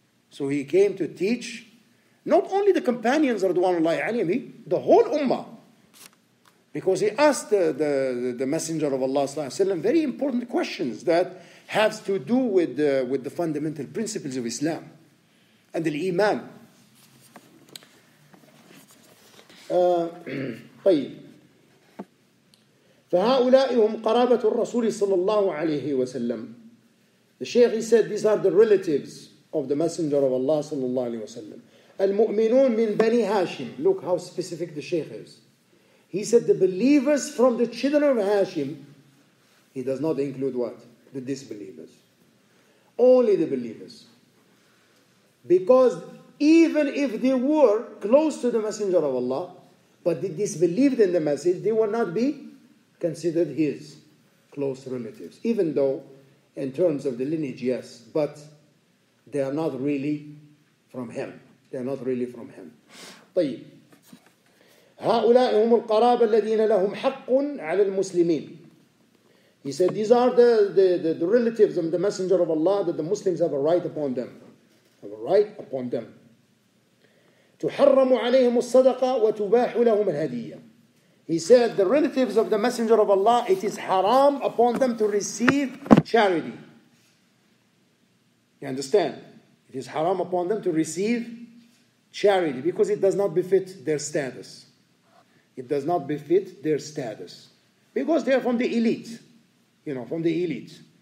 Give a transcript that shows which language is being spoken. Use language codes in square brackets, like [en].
[en] So he came to teach not only the companions of Ridwanullahi alayhim, the whole ummah. Because he asked the Messenger of Allah sallallahu alayhi wa sallam very important questions that have to do with the fundamental principles of Islam and the Iman. [ar] طيب فهؤلاء هم قرابة الرسول صلى الله عليه وسلم. [en] The Shaykh, he said, these are the relatives of the Messenger of Allah [ar] صلى الله عليه وسلم. المؤمنون من بني هاشم. [en] Look how specific the Shaykh is. He said the believers from the children of Hashim. He does not include what? The disbelievers. Only the believers. Because even if they were close to the Messenger of Allah, but they disbelieved in the message, they will not be considered his close relatives. Even though in terms of the lineage, yes, but they are not really from him. They are not really from him. [ar] طيب. هؤلاء هم القرابة الذين لهم حق على المسلمين. [en] He said these are the relatives of the Messenger of Allah that the Muslims have a right upon them. Have a right upon them. [ar] تحرم عليهم الصدقة وتباح لهم الهدية. [en] He said the relatives of the Messenger of Allah, it is haram upon them to receive charity. You understand? It is haram upon them to receive charity because it does not befit their status. It does not befit their status. Because they are from the elite. You know, from the elite.